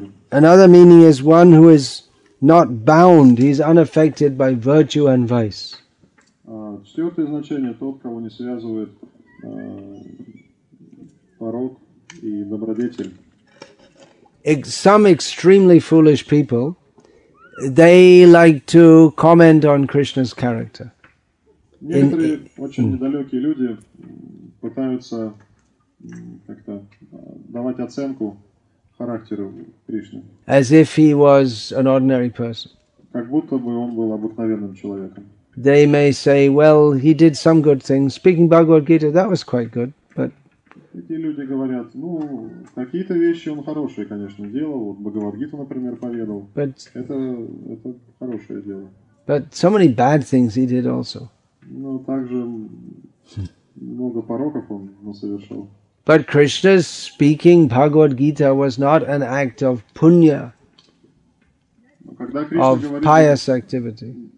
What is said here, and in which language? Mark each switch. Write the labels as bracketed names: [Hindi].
[English] Another meaning is one who is not bound, he is unaffected by virtue and vice. [Russian] Четвертое значение – тот, кого не связывает порок и добродетель. [English] Some extremely foolish people, they like to comment on Krishna's character. [Russian] Некоторые очень недалекие люди пытаются как-то давать оценку характеру Кришны. [English] As if he was an ordinary person. [Russian] Как будто бы он был обыкновенным человеком. [English] They may say, well, he did some good things. Speaking Bhagavad Gita, that was quite good, but... [Russian] Эти люди говорят, ну, какие-то вещи он хорошие, конечно, делал. Вот Бхагавад Гиту, например, поведал. Это хорошее дело. [English] But so many bad things he did also. [Russian] Ну, также много пороков он совершил. [English] But Krishna's speaking Bhagavad Gita was not an act of punya, of pious activity.